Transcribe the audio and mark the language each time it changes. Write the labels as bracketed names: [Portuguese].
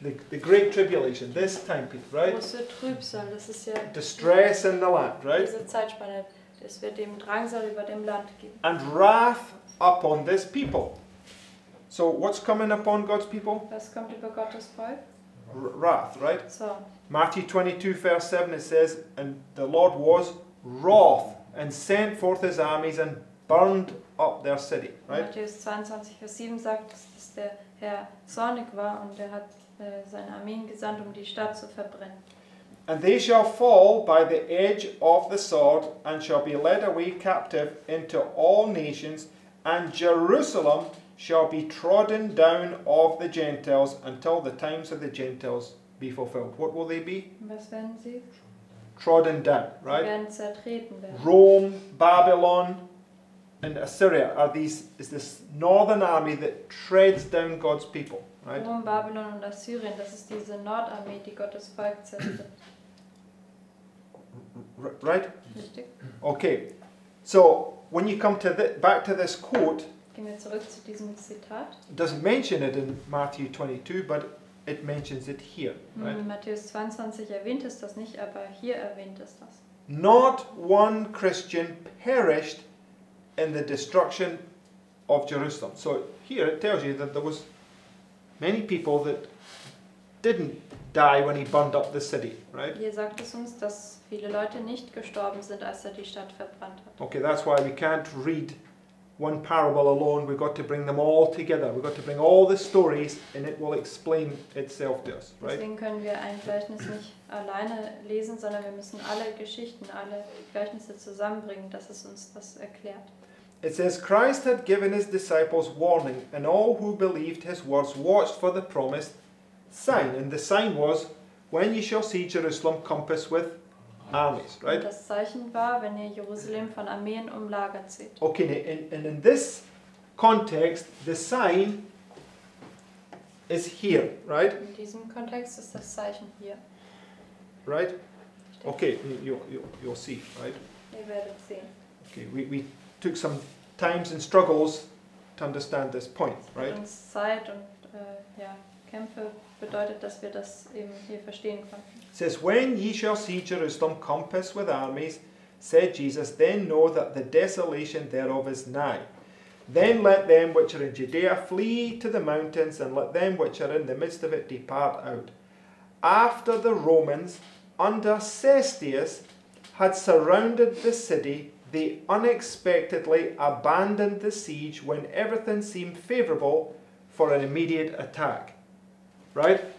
[English] The great tribulation, this time period, right? [German] Große Trübsal. Das ist ja [English] distress in the land, right? [German] Diese Zeitspanne. Es wird dem Drangsal über dem Land geben. [English] And wrath upon this people. So what's coming upon God's people? [German] Was kommt über Gottes Volk? [English] Wrath, right? So. Matthew 22, verse 7, it says, and the Lord was wroth and sent forth his armies and burned up their city, right? [German] Matthäus 22, Vers 7 sagt, dass der Herr zornig war und er hat seine Armeen gesandt, um die Stadt zu verbrennen. [English] And they shall fall by the edge of the sword and shall be led away captive into all nations, and Jerusalem shall be trodden down of the Gentiles until the times of the Gentiles be fulfilled. What will they be? [German] Was werden sie? [English] Trodden down, right? [German] Sie werden zertreten werden. [English] Rome, Babylon, and Assyria are these, is this northern army that treads down God's people, right? [German] Rome, Babylon, and Assyria, das ist diese Nordarmee, die Gottes Volk zertritt. [English] Right? [German] Richtig. [English] Okay. So, when you come to back to this quote, [German] gehen wir zurück zu diesem Zitat. [English] It doesn't mention it in Matthew 22, but it mentions it here. Right? [German] In Matthäus 22 erwähnt es das nicht, aber hier erwähnt es das. [English] Not one Christian perished in the destruction of Jerusalem. So here it tells you that there was many people that didn't die when he burned up the city, right? [German] Hier sagt es uns, dass viele Leute nicht gestorben sind, als er die Stadt verbrannt hat. [English] Okay, that's why we can't read one parable alone, we've got to bring them all together. We've got to bring all the stories and it will explain itself to us, right? [German] Deswegen können wir ein Gleichnis nicht alleine lesen, sondern wir müssen alle Geschichten, alle Gleichnisse zusammenbringen, dass es uns das erklärt. [English] It says, Christ had given his disciples warning and all who believed his words watched for the promised sign, and the sign was, when you shall see Jerusalem compassed with armies, right? [German] Das Zeichen war, wenn ihr Jerusalem von Armeen umlagert seht. [English] Okay, and in this context, the sign is here, right? [German] In diesem Kontext ist das Zeichen hier. [English] Right? Okay, you'll see, right? [German] Ihr werdet sehen. [English] Okay, we took some times and struggles to understand this point, right? [German] Uns Zeit und Kämpfe bedeutet, dass wir das eben hier verstehen konnten. [English] It says, when ye shall see Jerusalem compassed with armies, said Jesus, then know that the desolation thereof is nigh. Then let them which are in Judea flee to the mountains, and let them which are in the midst of it depart out. After the Romans, under Cestius, had surrounded the city, they unexpectedly abandoned the siege when everything seemed favorable for an immediate attack. Right?